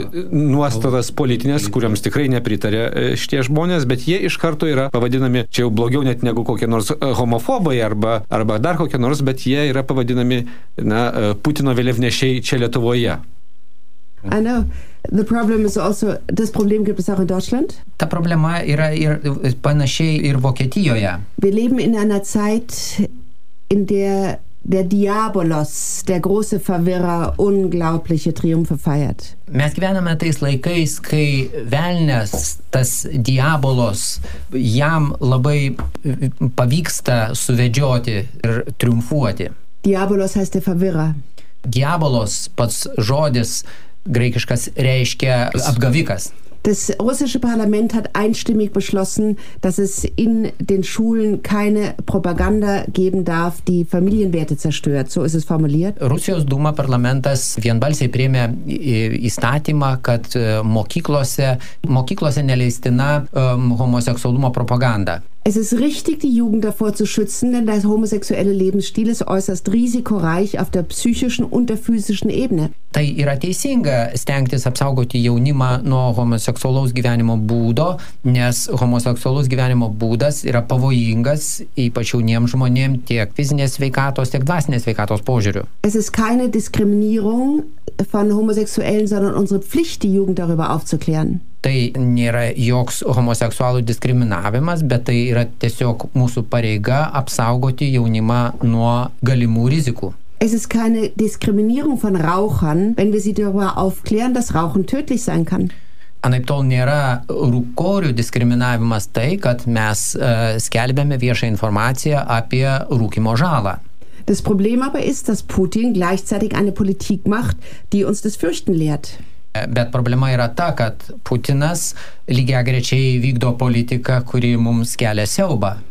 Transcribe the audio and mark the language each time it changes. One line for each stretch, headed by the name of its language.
Lithuanian: nuostatas politinės, kuriams tikrai nepritarė šitie žmonės, bet jie iš karto yra pavadinami, čia jau blogiau net negu kokie nors homofobai arba dar kokie nors, bet jie yra pavadinami, na, Putino vėliavnešiai čia Lietuvoje.
English: I know. The problem is also, this problem
German: gibt es auch in Deutschland.
Lithuanian: Ta problema yra ir panašiai ir Vokietijoje.
German: Wir leben in einer Zeit, in der der Diabolos, der große Verwirrer, unglaubliche Triumphe feiert.
Lithuanian: Mes gyvename tais laikais, kai velnės, tas Diabolos, jam labai pavyksta suvedžioti ir triumfuoti.
German: Diabolos heißt der Verwirrer.
Lithuanian: Diabolos, pats žodis, graikiškas reiškia apgavikas.
German: Das russische Parlament hat einstimmig beschlossen, dass es in den Schulen keine Propaganda geben darf, die Familienwerte zerstört. So ist es formuliert.
Lithuanian: Rusijos Duma parlamentas vienbalsiai priėmė įstatymą, kad mokyklose neleistina homoseksualumo propaganda.
German: Es ist richtig, die Jugend davor zu schützen, denn der homosexuelle Lebensstil ist äußerst risikoreich auf der psychischen und der physischen Ebene.
Lithuanian: Tai yra teisinga stengtis apsaugoti jaunimą nuo homoseksualaus gyvenimo būdo, nes homoseksualus gyvenimo būdas yra pavojingas ypač jauniems žmonėms tiek fizinės sveikatos, tiek dvasinės sveikatos požiūriu.
German: Es ist keine Diskriminierung von Homosexuellen, sondern unsere Pflicht, die Jugend darüber aufzuklären.
Lithuanian: Tai nėra joks homoseksualų diskriminavimas, bet tai yra tiesiog mūsų pareiga apsaugoti jaunimą nuo galimų rizikų.
German: Es ist keine Diskriminierung von Rauchern, wenn wir sie darüber aufklären, dass Rauchen tödlich sein kann.
Lithuanian: Anaip tol nėra rūkorių diskriminavimas tai, kad mes skelbėme viešą informaciją apie rūkimo žalą.
German: Das Problem aber ist, dass Putin gleichzeitig eine Politik macht, die uns das Fürchten lehrt.
Lithuanian: Bet problema yra ta, kad Putinas lygiagrečiai vykdo politiką, kuri mums kelia siaubą.